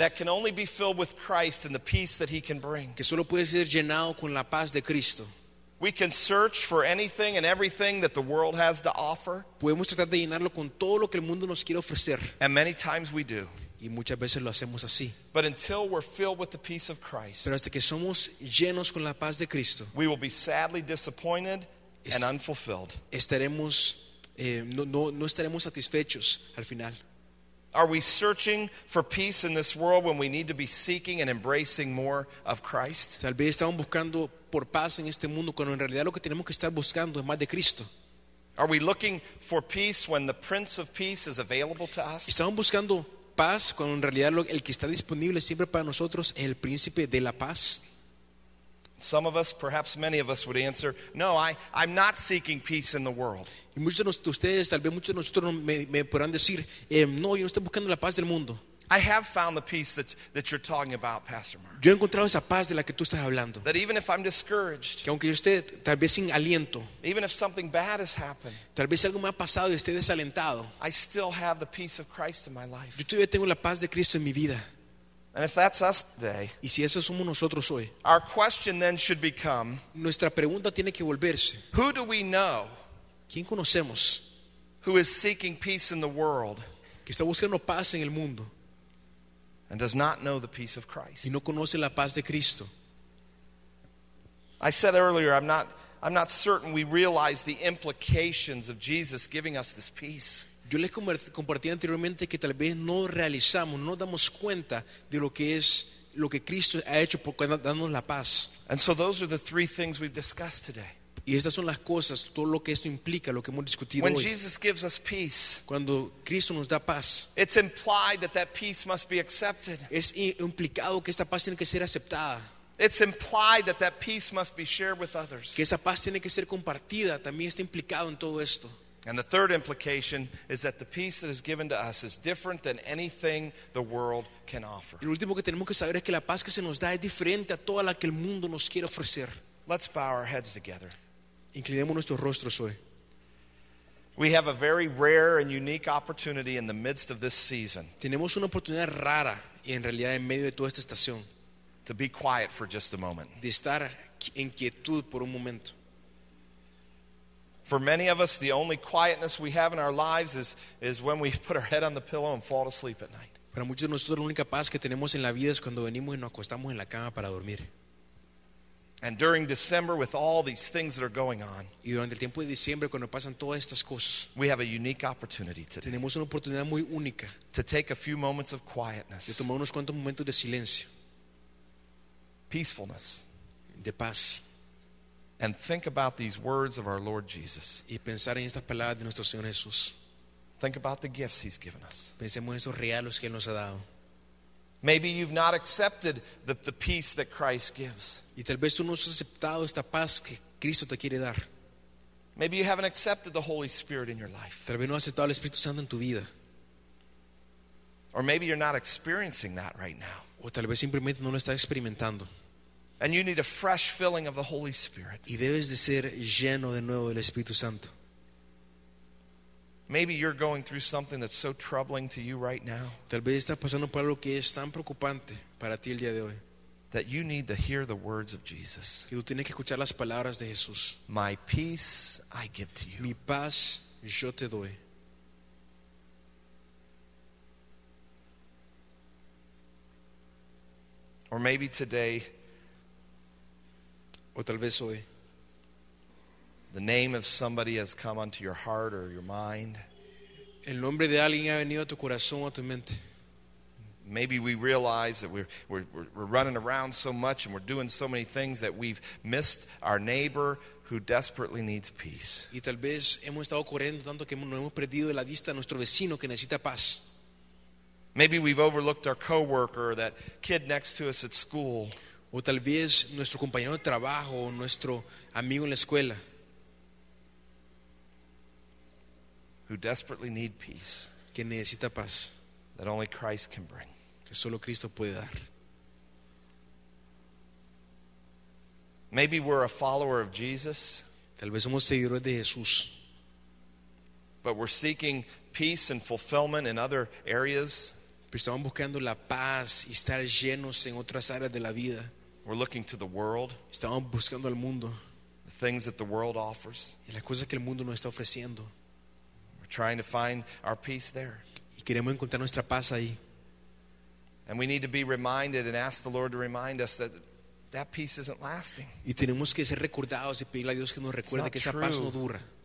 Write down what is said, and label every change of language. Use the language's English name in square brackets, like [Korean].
[English] That can only be filled with Christ and the peace that he can bring. [Spanish] Que solo puede ser llenado con la paz de Cristo. [English] We can search for anything and everything that the world has to offer. [Spanish] Podemos tratar de llenarlo con todo lo que el mundo nos quiere ofrecer. [English] And many times we do. [Spanish] Y muchas veces lo hacemos así. [English] But until we're filled with the peace of Christ, [Spanish] pero hasta que somos llenos con la paz de Cristo, [English] we will be sadly disappointed and unfulfilled. [Spanish] No estaremos satisfechos al final. [English] Are we searching for peace in this world when we need to be seeking and embracing more of Christ? [Spanish] Tal vez estamos buscando por paz en este mundo cuando en realidad lo que tenemos que estar buscando es más de Cristo. [English] Are we looking for peace when the Prince of Peace is available to us? [Spanish] Estamos buscando paz cuando en realidad el que está disponible siempre para nosotros es el Príncipe de la Paz. [English] Some of us, perhaps many of us, would answer, "No, I'm not seeking peace in the world." [Spanish] Y muchos de ustedes, tal vez muchos de nosotros, me podrán decir, "No, yo no estoy buscando la paz del mundo." [English] I have found the peace that you're talking about, Pastor Mark. [Spanish] Yo he encontrado esa paz de la que tú estás hablando. [English] That even if I'm discouraged, [Spanish] que aunque yo esté tal vez sin aliento, [English] even if something bad has happened, [Spanish] tal vez algo me ha pasado y esté desalentado, [English] I still have the peace of Christ in my life. [Spanish] Yo todavía tengo la paz de Cristo en mi vida. [English] And if that's us today, [Spanish] y si eso somos nosotros hoy, [English] our question then should become, [Spanish] nuestra pregunta tiene que volverse, [English] who do we know? [Spanish] ¿Quién conocemos? [English] Who is seeking peace in the world? [Spanish] Que está buscando paz en el mundo. [English] And does not know the peace of Christ. [Spanish] Y no conoce la paz de Cristo. [English] I said earlier, I'm not certain we realize the implications of Jesus giving us this peace. [Spanish] Yo les compartí anteriormente que tal vez no realizamos, no damos cuenta de lo que es lo que Cristo ha hecho por darnos la paz. [English] And so those are the three things we've discussed today. [Spanish] Y estas son las cosas, todo lo que esto implica, lo que hemos discutido [English] when [Spanish] hoy. [English] Jesus gives us peace, [Spanish] cuando Cristo nos da paz, [English] it's implied that that peace must be accepted. [Spanish] Es implicado que esta paz tiene que ser aceptada. [English] It's implied that that peace must be shared with others. [Spanish] Que esa paz tiene que ser compartida, también está implicado en todo esto. [English] And the third implication is that the peace that is given to us is different than anything the world can offer. [Spanish] Y lo último que tenemos que saber es que la paz que se nos da es diferente a toda la que el mundo nos quiere ofrecer. [English] Let's bow our heads together. [Spanish] Inclinemos nuestros rostros hoy. [English] We have a very rare and unique opportunity in the midst of this season. [Spanish] Tenemos una oportunidad rara y en realidad en medio de toda esta estación. [English] To be quiet for just a moment. [Spanish] De estar en quietud por un momento. [English] For many of us, the only quietness we have in our lives is when we put our head on the pillow and fall asleep at night. [Spanish] Para muchos de nosotros la única paz que tenemos en la vida es cuando venimos y nos acostamos en la cama para dormir. [English] And during December, with all these things that are going on, [Spanish] y durante el tiempo de diciembre, cuando pasan todas estas cosas, [English] we have a unique opportunity today. [Spanish] Tenemos una oportunidad muy única [English] to take a few moments of quietness, [Spanish] de tomar unos cuantos momentos de silencio, [English] peacefulness, [Spanish] de paz, [English] and think about these words of our Lord Jesus. [Spanish] Y pensar en estas palabras de nuestro Señor Jesús. [English] Think about the gifts He's given us. [Spanish] Pensemos en esos regalos que Él nos ha dado. [English] Maybe you've not accepted the peace that Christ gives. [Spanish] Y tal vez tú no has aceptado esta paz que Cristo te quiere dar. [English] Maybe you haven't accepted the Holy Spirit in your life. [Spanish] Tal vez no has aceptado el Espíritu Santo en tu vida. [English] Or maybe you're not experiencing that right now. [Spanish] O tal vez simplemente no lo estás experimentando. [English] And you need a fresh filling of the Holy Spirit. [Spanish] Y debes de ser lleno de nuevo del Espíritu Santo. [English] Maybe you're going through something that's so troubling to you right now. [Spanish] Tal vez estás pasando por algo que es tan preocupante para ti el día de hoy. [English] That you need to hear the words of Jesus. [Spanish] Y tú tienes que escuchar las palabras de Jesús. [English] My peace I give to you. [Spanish] Mi paz yo te doy. [English] Or maybe today. [Spanish] O tal vez hoy. [English] The name of somebody has come onto your heart or your mind. [Spanish] El nombre de alguien ha venido a tu corazón o a tu mente. [English] Maybe we realize that we're running around so much and we're doing so many things that we've missed our neighbor who desperately needs peace. [Spanish] Y tal vez hemos estado corriendo tanto que nos hemos perdido de la vista a nuestro vecino que necesita paz. [English] Maybe we've overlooked our coworker, that kid next to us at school. [Spanish] O tal vez nuestro compañero de trabajo o nuestro amigo en la escuela. [English] Who desperately need peace, [Spanish] que necesita paz, [English] that only Christ can bring, [Spanish] que solo Cristo puede dar. [English] Maybe we're a follower of Jesus, [Spanish] tal vez somos seguidores de Jesús, [English] but we're seeking peace and fulfillment in other areas. [Spanish] Pero estamos buscando la paz y estar llenos en otras áreas de la vida. [English] We're looking to the world, [Spanish] estamos buscando al mundo, [English] the things that the world offers, [Spanish] y las cosas que el mundo nos está ofreciendo. [English] Trying to find our peace there. [Spanish] Y queremos encontrar nuestra paz ahí. [English] And we need to be reminded and ask the Lord to remind us that that peace isn't lasting. [Spanish] Y tenemos que ser recordados y pedirle a Dios que nos recuerde que esa paz no dura.